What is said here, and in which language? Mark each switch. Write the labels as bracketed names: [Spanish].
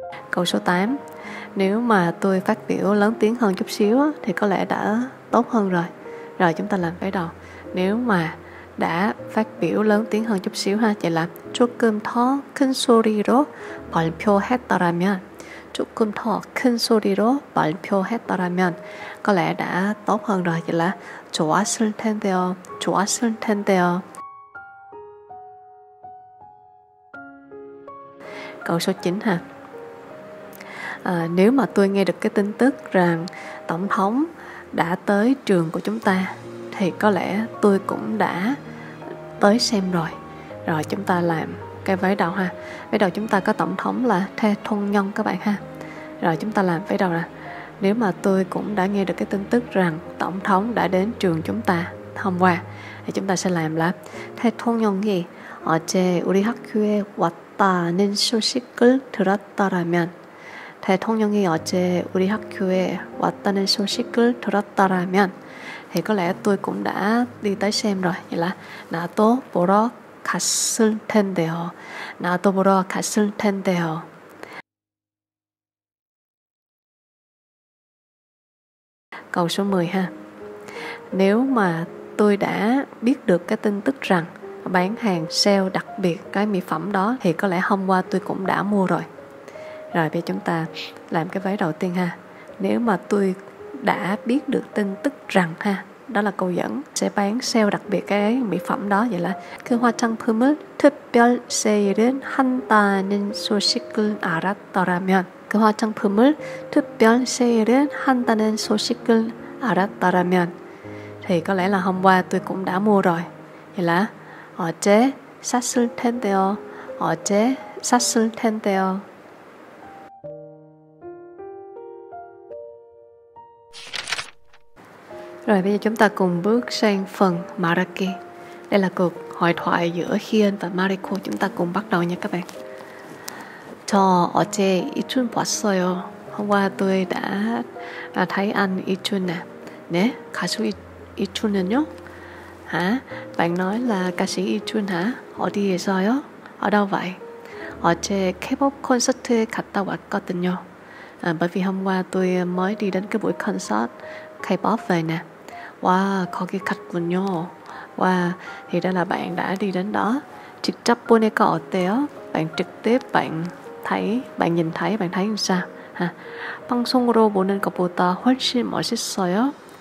[Vietnamese] Câu số 8. Nếu mà tôi phát biểu lớn tiếng hơn chút xíu thì có lẽ đã tốt hơn rồi. Rồi chúng ta làm cái đầu. Nếu mà đã phát biểu lớn tiếng hơn chút xíu ha, vậy là 조금 더 큰 소리로 발표했더라면. [Korean] 조금 더 큰 소리로 발표했더라면. [Vietnamese] Có lẽ đã tốt hơn rồi, vậy là 좋았을 텐데요. [Korean] 좋았을 텐데요. [Vietnamese] Câu số 9 ha. Nếu mà tôi nghe được cái tin tức rằng tổng thống đã tới trường của chúng ta thì có lẽ tôi cũng đã tới xem rồi. Rồi chúng ta làm cái vế đầu ha. Vế đầu chúng ta có tổng thống là Thê Thôn Nhân các bạn ha. Rồi chúng ta làm vế đầu nè. Nếu mà tôi cũng đã nghe được cái tin tức rằng tổng thống đã đến trường chúng ta hôm qua thì chúng ta sẽ làm là Thê Thôn Nhân gì? [Korean] 어제 우리 학교에 왔다는 소식을 들었더라면. 대통령이 어제 우리 학교에 왔다는 소식을 들었더라면. [Vietnamese] Thì có lẽ tôi cũng đã đi tới xem rồi. [Korean] Vậy là 나도 보러 갔을 텐데요. 나도 보러 갔을 텐데요. [Vietnamese] Câu số 10 ha. Nếu mà tôi đã biết được cái tin tức rằng bán hàng sale đặc biệt cái mỹ phẩm đó thì có lẽ hôm qua tôi cũng đã mua rồi. Rồi bây giờ chúng ta làm cái vế đầu tiên ha. Nếu mà tôi đã biết được tin tức rằng ha, đó là câu dẫn, sẽ bán sale đặc biệt cái mỹ phẩm đó, vậy là 그 화장품을 특별 세일을 한다는 소식을 알았더라면. [Korean] 그 화장품을 특별 세일을 한다는 소식을 알았더라면. [Vietnamese] Thì có lẽ là hôm qua tôi cũng đã mua rồi. [Korean] Vậy là 어제 샀을 텐데요. 어제 샀을 텐데요. [Vietnamese] Rồi bây giờ chúng ta cùng bước sang phần Maraki. Đây là cuộc hội thoại giữa Hien và Mariko. Chúng ta cùng bắt đầu nha các bạn. [Korean] 저 어제 이춘 봤어요. [Vietnamese] Hôm qua tôi đã thấy anh 이춘 nè. [Korean] Nè, 가수 이춘은요? Hả? [Vietnamese] Bạn nói là ca sĩ 이춘 hả? 어디에서요? Ở đâu vậy? [Korean] 어제 K-pop 콘서트에 갔다 왔거든요. [Vietnamese] Bởi vì hôm qua tôi mới đi đến cái buổi concert K-pop về nè. Wow, có cái khách quần nhô. Wow, thì đó là bạn đã đi đến đó. [Korean] 직접 보니까 어때요? [Vietnamese] Bạn trực tiếp, bạn thấy, bạn nhìn thấy, bạn thấy như sao? 방송으로 보는 것보다 훨씬 멋있어요.